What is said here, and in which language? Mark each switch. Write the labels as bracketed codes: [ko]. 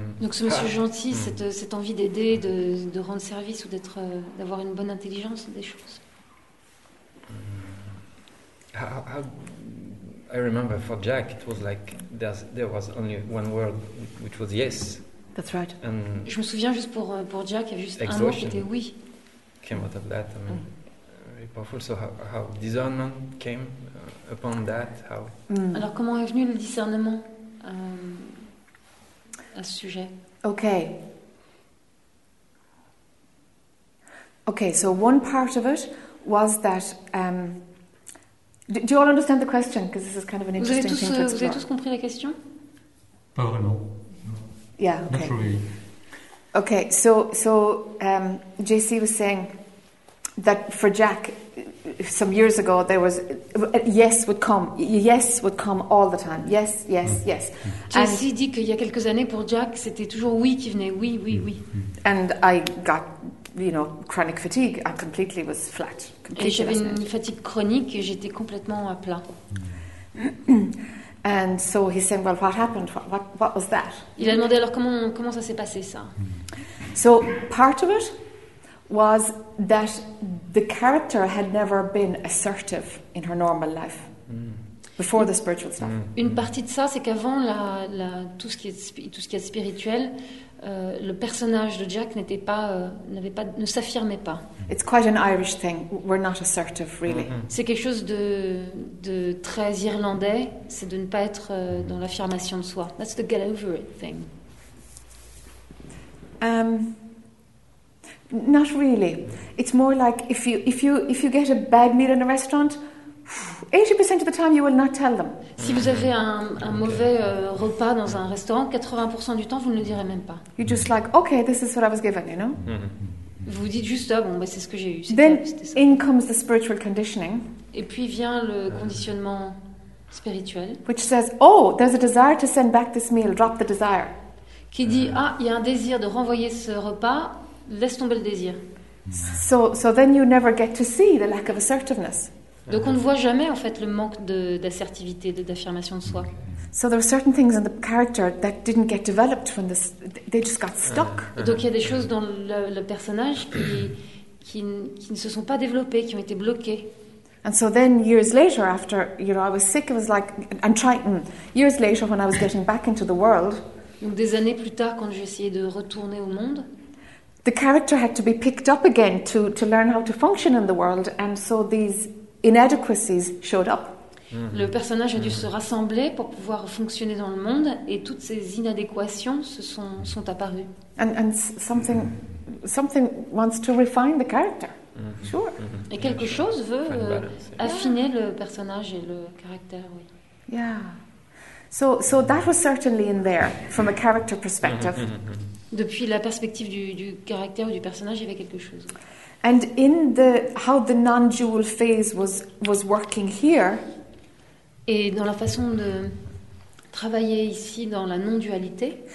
[fr] Donc ce monsieur gentil, cette envie d'aider, de rendre service ou d'avoir une bonne intelligence des choses. [en] I remember for Jack, it was like there was only one word, which was yes. That's right. And [fr] je me souviens juste pour Jack, il y a juste un mot qui était oui. [en] Came out of that. I mean, very powerful. So how discernment came upon that? How? Mm. [fr] Alors comment est venu le discernement à ce sujet? [en] Okay. Okay. So one part of it was that. Do you all understand the question? Because this is kind of an interesting thing. [fr] Vous avez tous compris la question? Pas vraiment. [en] Yeah. Okay. Naturally. Okay. So JC was saying that for Jack, some years ago, there was yes would come all the time. Yes, yes, yes. [fr] JC dit qu'il y a quelques années pour Jack, c'était toujours oui qui venait. Oui, oui, oui. [en] And I got, you know, chronic fatigue. I completely was flat. [fr] Et j'avais une fatigue chronique et j'étais complètement à plat. [en] And so he's saying, well, what happened? What was that? [fr] Il a demandé alors comment ça s'est passé ça. [en] So part of it was that the character had never been assertive in her normal life before the spiritual stuff. [fr] Une partie de ça, c'est qu'avant tout ce qui est spirituel, le personnage de Jack ne s'affirmait pas. [en] It's quite an Irish thing. We're not assertive, really. Mm-hmm. [fr] C'est quelque chose de très irlandais, c'est de ne pas être dans l'affirmation de soi. [en] That's the get over it thing. Not really. It's more like if you get a bad meal in a restaurant, 80% of the time you will not tell them. [fr] Si vous avez un mauvais repas dans un restaurant, 80% du temps vous ne le direz même pas. [en] You're just like, okay, this is what I was given, you know. Mm-hmm. [fr] Vous dites juste, ah bon, bah, c'est ce que j'ai eu. [en] Then [fr] ça. [en] In comes the spiritual conditioning. [fr] Et puis vient le conditionnement spirituel. [en] Which says, oh, there's a desire to send back this meal. Drop the desire. [fr] Qui dit, ah, il y a un désir de renvoyer ce repas. Laisse tomber le désir. [en] So then you never get to see the lack of assertiveness. [fr] Donc on ne voit jamais en fait le manque d'assertivité, d'affirmation de soi. [en] So there were certain things in the character that didn't get developed when they just got stuck. [fr] Donc il y a des choses dans le personnage qui ne se sont pas développées, qui ont été bloquées. [en] And so then years later after, you know, I was sick, it was like I'm trying years later when I was getting back into the world. [fr] Donc des années plus tard quand j'essayais de retourner au monde. [en] The character had to be picked up again to learn how to function in the world, and so these inadequacies showed up. [fr] Le personnage a dû se rassembler pour pouvoir fonctionner dans le monde et toutes ces inadéquations se sont apparues. [en] And something wants to refine the character. Mm-hmm. Sure. Mm-hmm. [fr] Et quelque chose veut affiner le personnage et le caractère, oui. [en] Yeah. So that was certainly in there from a character perspective. [fr] Depuis la perspective du caractère ou du personnage, il y avait quelque chose. [en] And in the how the non-dual phase was working here. [fr] Et dans la façon de travailler ici dans la non-dualité.